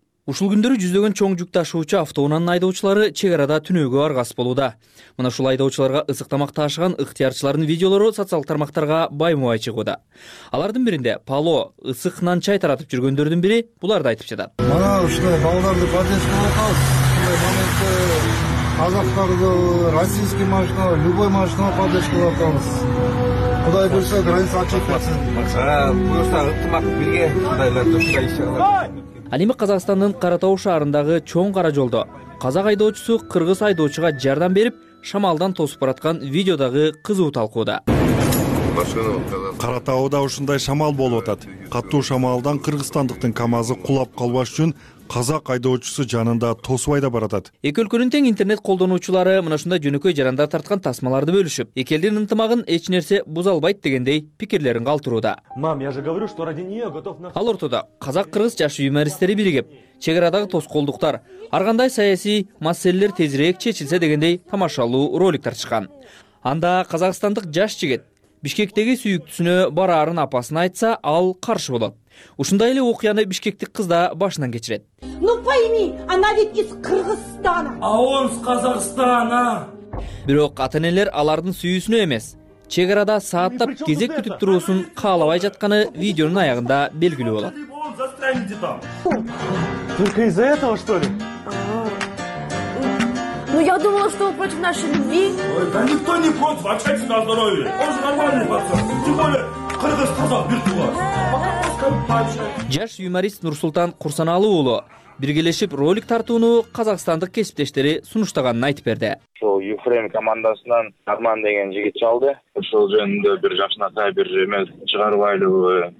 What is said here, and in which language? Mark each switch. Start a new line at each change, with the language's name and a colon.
Kyrgyz: Ушул күндөрү жүздөгөн чоң жүк ташуучу автоунанын айдоочулары чек арада түнөгө аргас болууда. Мына ушул айдоочуларга ысык тамак ташыган ыктыярчылардын видеолору социалдык тармактарга баймабай чыгууда. Алардын биринде пало, ысык нан чай таратып жүргөндөрдүн бири буларды айтып жатат. Мына ушундай балдарды подъездге алабыз. Казактарды, российский машинага, любой машинага поддержка алабыз. Кудай буйруса, граница ачылып кетсин. Буюрса, ыктымак бирге Ал эми Казакстандын Кара Тау шаарындагы чоң кара жолдо казак айдоочусу кыргыз айдоочуга жардам берип шамалдан тосуп бараткан видеодагы кызуу талкууда. Кара Тауда ушундай шамал болуп атат. Катуу шамалдан кыргызстандыктын КАМАЗы кулап калбаш үчүн казак айдоочусу жанында тосубай да баратат. Эки өлкөнүн тең интернет колдонуучулары мына ушундай жөнөкөй жарандар тарткан тасмаларды бөлүшүп, эки элдин ынтымагын эч нерсе буза албайт дегендей пикирлерин калтырууда.
Russian: Мам, я же говорю, что ради нее готов на.
Kyrgyz: Ал ортодо казак кыргыз жаш юмористтери биригип, чек арадагы тоскоолдуктар, ар кандай саясий маселелер тезирээк чечилсе дегендей тамашалуу роликтер чыккан. Анда казакстандык жаш жигит Бишкектеги сүйүктүүсүнө бараарын апасына айтса, ал каршы болот. Ушундай эле окуяны бишкектик кыз да башынан кечирет.
Russian: Ну пойми, она ведь из Кыргызстана. А он с Казахстана.
Kyrgyz: Бирок ата-энелер алардын сүйүүсүнө эмес, чек арада сааттап кезек күтүп туруусун каалабай жатканы видеонун аягында белгилүү болот.
Russian: Только из-за этого, что ли? Ну я думала, что вы против нашей любви. Ой, да никто не против, общайте на здоровье. Он же нормальный пацан. Тем более,
Kyrgyz: кыргыз казак бир тууган. Жаш юморист Нурсултан Курсаналы уулу биргелешип ролик тартууну казакстандык кесиптештери сунуштаганын айтып берди. Ушул Юфрейм командасынан Арман деген жигит чалды. Ушул жөнүндө бир жакшынакай бир эмес чыгарып айлыбы.